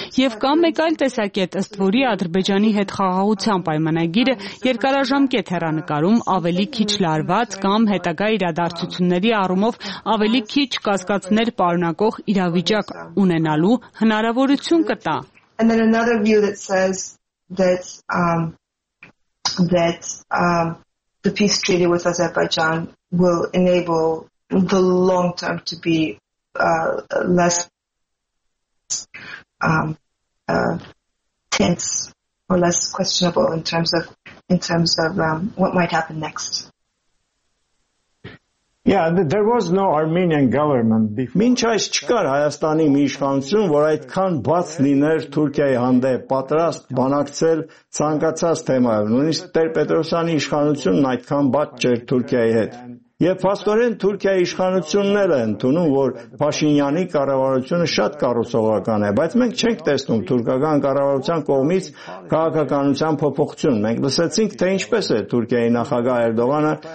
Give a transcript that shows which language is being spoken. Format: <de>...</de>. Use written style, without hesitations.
<hy>Եվ կա մեկ այլ տեսակետ, ըստ որի Ադրբեջանի հետ խաղաղության պայմանագիրը երկարաժամկետ հեռանկարում ավելի քիչ լարված կամ հետագա իրադարձությունների առումով ավելի քիչ կասկածներ պարունակող իրավիճակ ունենալու հնարավորություն կտա։</hy> <en>And then another view that says that that the peace treaty with Azerbaijan will enable the long term to be less tense or less questionable in terms of what might happen next. Yeah, there was no Armenian government before.</en> <hy>Մինչ այս չկար Հայաստանի մի իշխանություն, որ այդքան բաց լիներ Թուրքիայի հանդեպ, պատրաստ բանակցել ցանկացած թեմայով, նույնիսկ Տեր Պետրոսյանի իշխանությունն այդքան բաց չէր Թուրքիայի հետ։ Եվ փաստորեն Թուրքիայի իշխանությունն էլ է ընդունում, որ Փաշինյանի կառավարությունը շատ կարուսողական է, բայց մենք չենք տեսնում թուրքական կառավարության կողմից քաղաքականության փոփոխություն։ Մենք լսեցինք, թե ինչպես է Թուրքիայի նախագահ Էրդողանը</hy>